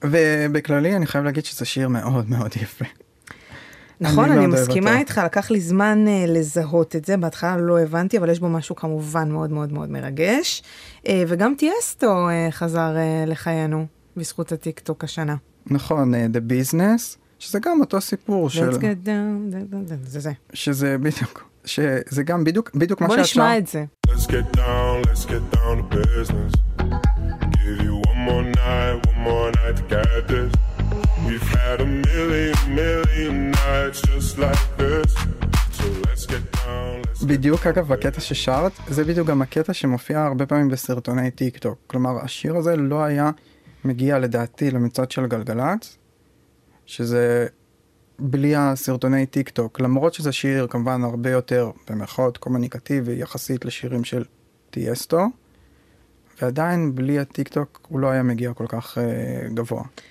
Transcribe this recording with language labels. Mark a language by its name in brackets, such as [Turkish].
[Hebrew] ובכללי, אני חייב להגיד שזה שיר מאוד מאוד יפה. נכון, אני מסכימה איתך, לקח לי זמן לזהות את זה, בהתחלה לא הבנתי, אבל יש בו משהו כמובן מאוד מאוד מאוד מרגש. וגם טיאסטו חזר לחיינו, בזכות הטיק טוק השנה. נכון, The Business. שזה גם אותו סיפור של [English] Let's get down, זה. [Hebrew] שזה בדיוק, שזה גם בדיוק, בדיוק מה שאתה בוא נשמע את זה. [English] Let's get down to business. Give you one more night to get this. We've had a million, million nights just like this. So let's get down, let's get down. [Hebrew] בדיוק אגב, הקטע ששרת, זה בדיוק גם הקטע שמופיע הרבה פעמים בסרטוני טיק טוק. כלומר, השיר הזה לא היה מגיע לדעתי למצעד של גלגלצ, שזה בלי הסרטוני טיק טוק, למרות שזה שיר כמובן הרבה יותר במרכאות קומוניקטיבי יחסית לשירים של טיאסטו, ועדיין בלי הטיק טוק הוא לא היה מגיע כל כך גבוה.